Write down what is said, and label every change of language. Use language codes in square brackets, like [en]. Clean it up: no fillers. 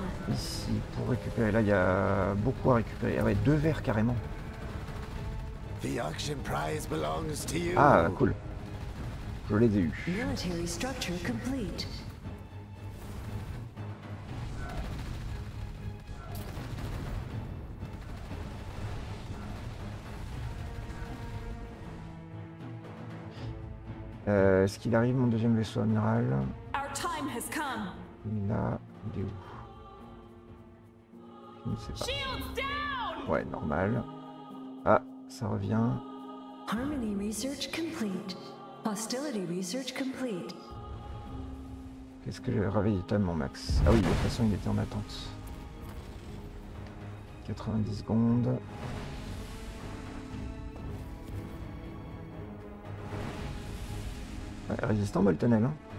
[fr] Ici, pour récupérer, là, il y a beaucoup à récupérer. Ah ouais, deux verres carrément. [en] The auction prize belongs to you. [fr] Ah, cool. Je les ai eus. [en] Military structure complete. [fr] Est-ce qu'il arrive mon deuxième vaisseau amiral ? [en] Our time has come. [fr] Là, il est où ? Je ne sais pas. [en] Shields down. [fr] Ouais, normal. Ah, ça revient. [en] Harmony research complete. Hostility research complete. [fr] Qu'est-ce que j'ai réveillé tellement, Max ? Ah oui, de toute façon, il était en attente. 90 secondes. Ouais, résistant Boltonnel. Hein.